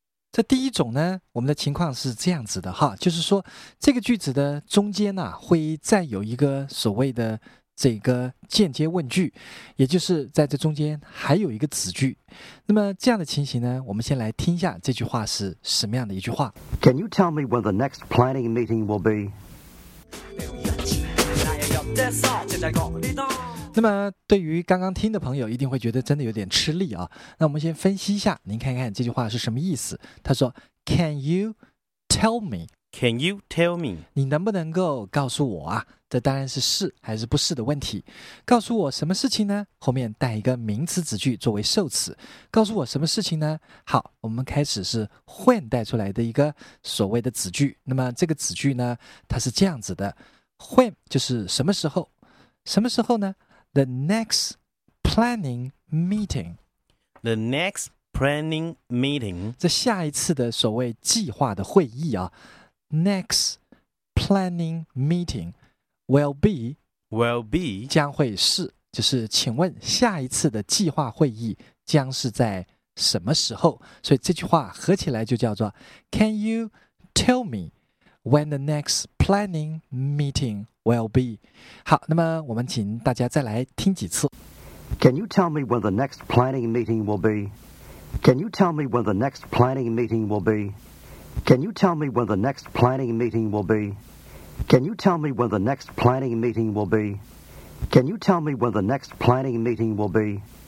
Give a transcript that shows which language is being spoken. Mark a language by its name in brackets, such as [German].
[Chinese] 这第一种呢，我们的情况是这样子的哈，就是说这个句子的中间啊会再有一个所谓的这个间接问句，也就是在这中间还有一个子句。那么这样的情形呢，我们先来听一下这句话是什么样的一句话。 [English] Can you tell me when the next planning meeting will be? [Chinese] 那么对于刚刚听的朋友一定会觉得真的有点吃力啊。那我们先分析一下，您看看这句话是什么意思。他说 [English] Can you tell me? Can you tell me? [Chinese] 你能不能够告诉我啊，这当然是是还是不是的问题。告诉我什么事情呢，后面带一个名词子句作为受词。告诉我什么事情呢，好，我们开始是 when 带出来的一个所谓的子句。那么这个子句呢它是这样子的，When 就是什么时候，什么时候呢？ [English] The next planning meeting. The next planning meeting. [Chinese] 这下一次的所谓计划的会议啊， [English] Next planning meeting will be. Will be. [Chinese] 将会是，就是请问下一次的计划会议将是在什么时候？所以这句话合起来就叫做 [English] Can you tell me? When the next planning meeting will be. [Chinese] 好，那么我们请大家再来听几次。 [English] Can you tell me when the next planning meeting will be? Can you tell me when the next planning meeting will be? Can you tell me when the next planning meeting will be? Can you tell me when the next planning meeting will be? Can you tell me when the next planning meeting will be?